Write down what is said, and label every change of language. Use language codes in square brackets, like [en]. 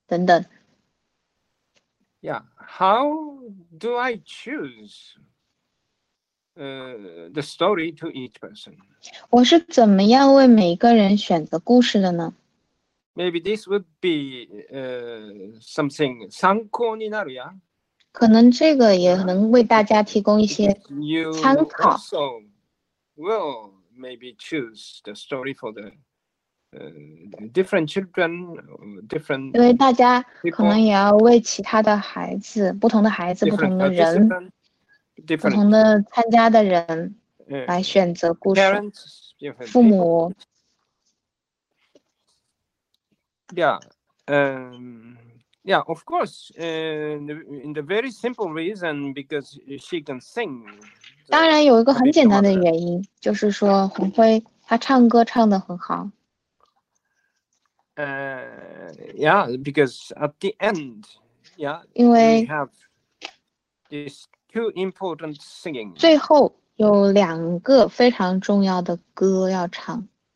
[zh] 他其实也完成了这么一个任务，他有勇气来完成这么一个困难的任务。感谢其他人对于他的支持，感谢刚才提到的慧慧、潘潘、JD、丁丁等等。Yeah, [en] how do I choose the story to each person? [zh] 我是怎么样为每个人选择故事的呢？ [en] Maybe this would be something [ja] 参考になる, [en] yeah? [zh] 可能这个也能为大家提供一些参考。 [en] You also will maybe choose the story for the different children, different people. [zh] 因为大家可能也要为其他的孩子、不同的孩子、不同的人、 不同的参加的人来选择故事。 [en] Parents, [zh] 父母。 [en] Yeah, yeah, of course, in the very simple reason, because she can sing. [zh] 当然有一个很简单的原因, 就是说红辉他唱歌唱得很好。 [en] Yeah, because at the end, yeah, [zh] 因为 [en] we have these two important singing. [zh] 最后有两个非常重要的歌要唱。